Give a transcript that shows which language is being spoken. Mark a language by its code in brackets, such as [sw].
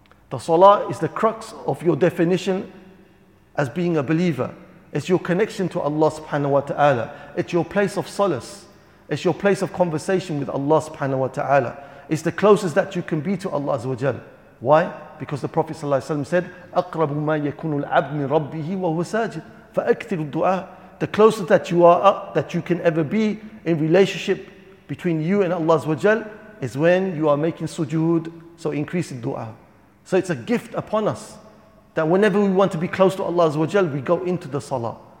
[en] The salah is the crux of your definition as being a believer. It's your connection to Allah subhanahu wa ta'ala. It's your place of solace. It's your place of conversation with Allah subhanahu wa ta'ala. It's the closest that you can be to Allah azza wa jal. Why? Because the Prophet sallallahu alayhi wa sallam said, [ar] أَقْرَبُ مَا يَكُنُ الْعَبْدُ مِنْ رَبِّهِ وَهُوَ سَاجِدٌ فَأَكْثِرُ الدُّعَى. [en] The closest that you are, that you can ever be in relationship between you and Allah azza wa jal is when you are making sujood, so increase in dua. So it's a gift upon us that whenever we want to be close to Allah azza wa jal, we go into the salah.